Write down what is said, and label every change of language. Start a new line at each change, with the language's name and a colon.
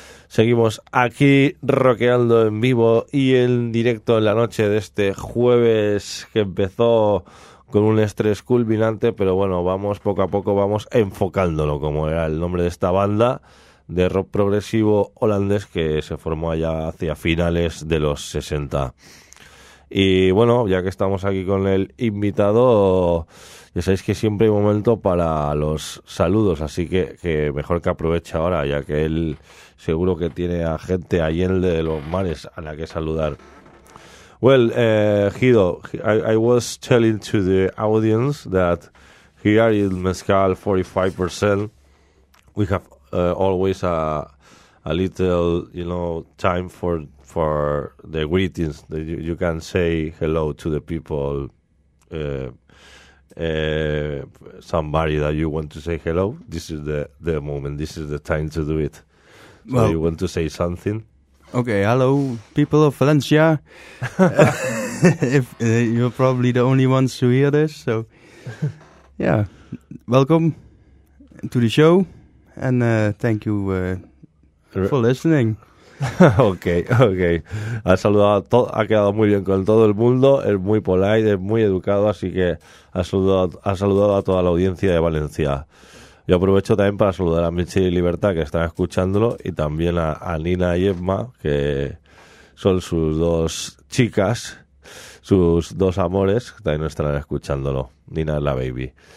Spanish: Seguimos aquí rockeando en vivo y en directo en la noche de este jueves que empezó con un estrés culminante, pero bueno, vamos poco a poco, vamos enfocándolo, como era el nombre de esta banda de rock progresivo holandés que se formó allá hacia finales de los 60. Y bueno, ya que estamos aquí con el invitado, ya sabéis que siempre hay momento para los saludos, así que mejor que aproveche ahora, ya que él seguro que tiene a gente ahí en el de los mares a la que saludar.
English: Well, Hido, I was telling to the audience that here in Mezcal 45%, we have always a little, you know, time for the greetings. You can say hello to the people, somebody that you want to say hello. This is the moment. This is the time to do it. So well, you want to say something? Okay, hello, people of Valencia. you're probably the only ones who hear this, so yeah, welcome to the show, and thank you for listening. Okay.
Spanish: Ha saludado, ha quedado muy bien con todo el mundo. Es muy polite, es muy educado, así que ha saludado a toda la audiencia de Valencia. Yo aprovecho también para saludar a Michi y Libertad, que están escuchándolo, y también a Nina y Emma, que son sus dos chicas, sus dos amores, que también están escuchándolo. Nina es la baby.